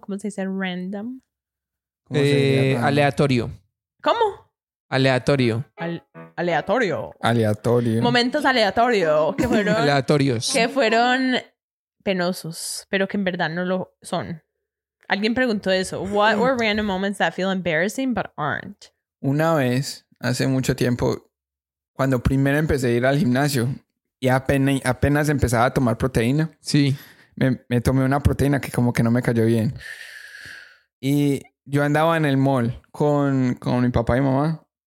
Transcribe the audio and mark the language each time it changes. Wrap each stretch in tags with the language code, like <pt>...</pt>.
<es>¿Cómo se dice random? Aleatorio. ¿Cómo? Aleatorio. Aleatorio. Momentos aleatorios. Que fueron, aleatorios. Que fueron penosos, pero que en verdad no lo son. Alguien preguntó eso.</es> <en>What were random moments that feel embarrassing but aren't?</en> <es>Una vez, hace mucho tiempo, cuando primero empecé a ir al gimnasio y apenas empezaba a tomar proteína. Sí. Me tomé una proteína que como que no me cayó bien. Y yo andaba en el mall con mi papá y mamá.</es>